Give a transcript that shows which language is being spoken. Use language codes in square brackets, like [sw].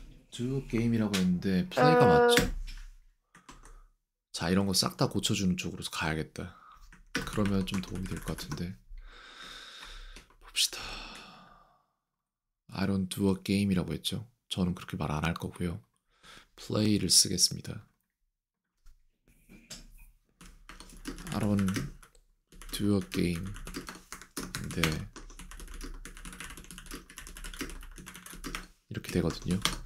[ko] 두 게임이라고 했는데 플레이가 맞죠? 자, 이런 거싹다 고쳐주는 쪽으로 가야겠다. 그러면 좀 도움이 될것 같은데 봅시다. [en] I don't do a game [ko] 이라고 했죠? 저는 그렇게 말안할 거고요. 플레이를 쓰겠습니다. [en] I don't do a game. [ko] 근데 이렇게 되거든요.